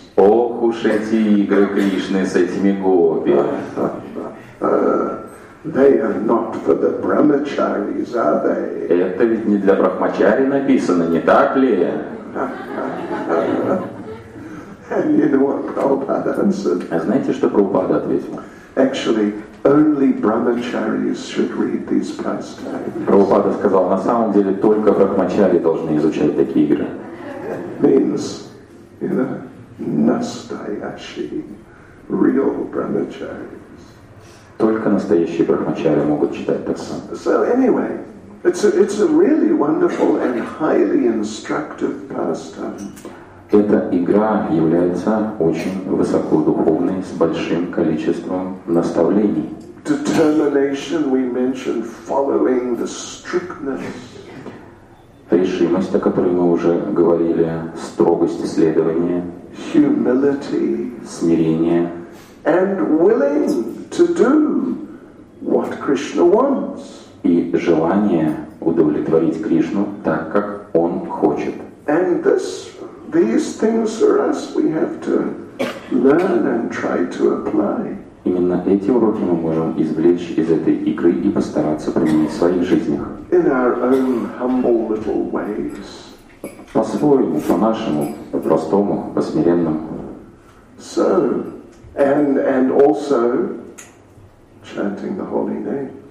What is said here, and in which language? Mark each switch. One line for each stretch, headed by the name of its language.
Russian: Ох уж эти игры Кришны с этими гопи.
English: They are not for the brahmacharis, are they?
Russian: Это ведь не для брахмачари написано, не так ли?
English: And you know what Prabhupada answered?
Russian: А знаете, что Прабхупада ответил?
English: Actually, only brahmacharis should read these pastimes.
Russian: Прабхупада сказал, на самом деле только брахмачари должны изучать такие игры.
English: Means, you know,
Russian: настоящие,
English: real brahmacharis.
Russian: Только настоящие брахмачари могут читать так сам.
English: So anyway, it's a really wonderful and highly instructive pastime.
Russian: Эта игра является очень высокодуховной, с большим количеством наставлений.
English: Determination we mentioned, following the strictness.
Russian: Решимость, о которой мы уже говорили, строгость следования.
English: Humility.
Russian: Смирение.
English: And willing to do what Krishna wants.
Russian: И желание удовлетворить Кришну так, как Он хочет.
English: And this. These things for us we have to learn and try to apply.
Russian: Именно эти уроки мы можем извлечь из этой игры и постараться применить в своих жизнях.
English: In our own humble little ways.
Russian: По-своему, по-нашему, по-простому, по-смиренному.
English: So, and also chanting the holy name.